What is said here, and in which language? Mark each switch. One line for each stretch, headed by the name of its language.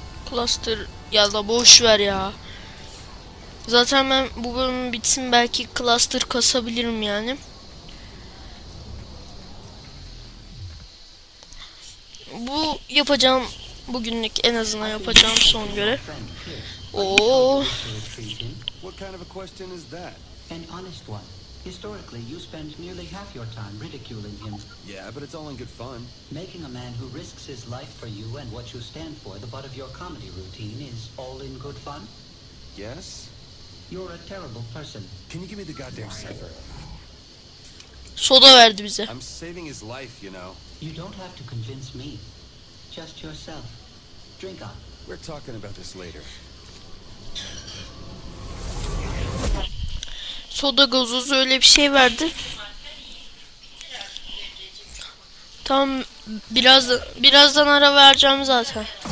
Turkish: Cluster ya da boş ver ya. Zaten ben bu bölüm bitsin belki cluster kasabilirim yani. Bu yapacağım bugünlük en azından yapacağım son göre. Oo.
English: What kind of a question is that? An honest one. Historically, you spend nearly half your time ridiculing him. Yeah, but it's all in good fun. Making a man who risks his life for you and what you stand for the butt of your comedy routine is all in good fun? Yes. You're a terrible person. Can you give me the goddamn cipher?
Turkish: Soda verdi bize.
English: I'm saving his life, you know. You don't have to convince me. Just yourself. Drink up. We're talking about this later.
Turkish: Soda gazozu öyle bir şey verdi. Tam birazdan ara vereceğim zaten.